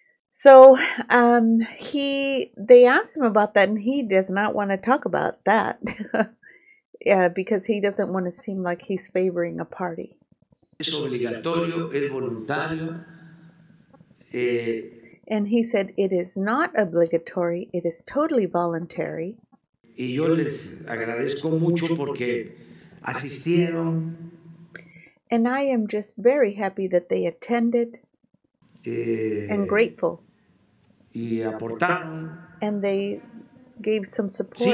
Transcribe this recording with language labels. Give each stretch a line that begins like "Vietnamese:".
English: So they asked him about that, and he does not want to talk about that because he doesn't want to seem like he's favoring a party.
Spanish: Es obligatorio, es voluntario.
English: And he said, it is not obligatory, it is totally voluntary.
Spanish: Y yo les agradezco mucho porque asistieron.
English: And I am just very happy that they attended and grateful.
Spanish: Y aportaron.
English: And they gave some support.